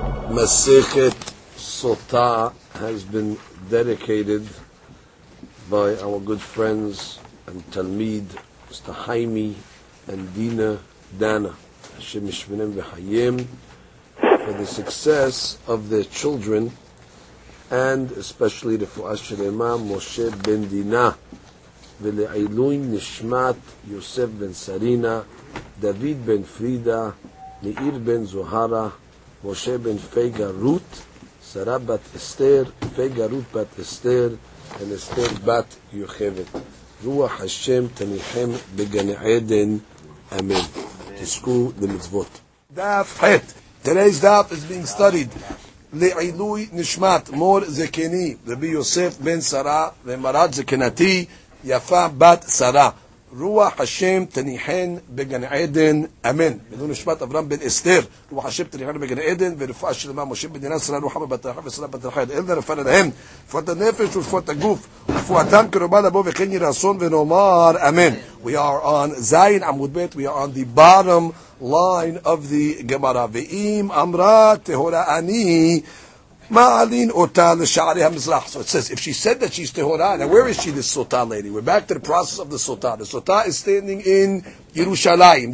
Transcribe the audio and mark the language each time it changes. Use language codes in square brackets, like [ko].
[en] Masichet Sotah has been dedicated by our good friends and Talmid, Mr. Haimi and Dina Dana, Hashem Yishmonem V'Chayim, for the success of their children, and especially the Fu'as Shel Imam Moshe Ben Dina, [he] ולעילוי נשמת יוסף בן סרינה, דוד בן פרידה, מאיר בן זוהרה, משה בן פייגה רות, שרה בת אסתר, פייגה רות בת אסתר, ואסתר בת יוכבת. רוח השם תניחם בגן עדן, אמן. תזכו למצוות. דף חט. [en] Today's daf is being studied. [he] לעילוי נשמת מור זקני, רבי יוסף בן שרה, ומרת זקנתי, יפה בת שרה, רוח השם תניחן בגן עדן, אמן. בנו נשמת אברהם בן אסתר, רוח השם תניחן בגן עדן, ורפואה שלמה, משה בן דינה, שרה רוחה בבת רחל, ושרה בת רחל, אין לרפא להם, רפואת הנפש ורפואת הגוף, רפואתם כרובה לבוא וכן ירסון ונאמר, אמן. [en] We are on Zayin Amud Bet, we are on the bottom line of the Gemara. [he] ואם אמרה תהורה אני, [en] So it says, if she said that she's Tehora, now where is she, this Sotah lady? We're back to the process of the Sotah. The Sotah is standing in Yerushalayim.